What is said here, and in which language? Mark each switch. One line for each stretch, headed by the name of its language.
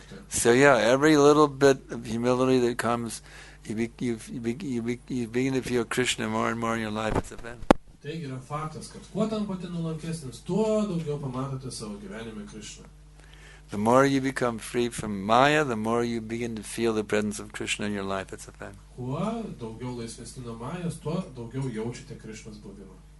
English: So yeah, every little bit of humility that comes, you begin to feel Krishna more and more in your life. It's a fact.
Lithuanian: Taigi yra faktas, kad kuo tampate nulankesnis, tuo daugiau pamatote savo gyvenime Krishna.
English: The more you become free from Maya, the more you begin to feel the presence of Krishna in your life. That's a fact.
Lithuanian: Kuo daugiau laisvesni nuo Majas, tuo daugiau jaučiate Krishnas buvimą.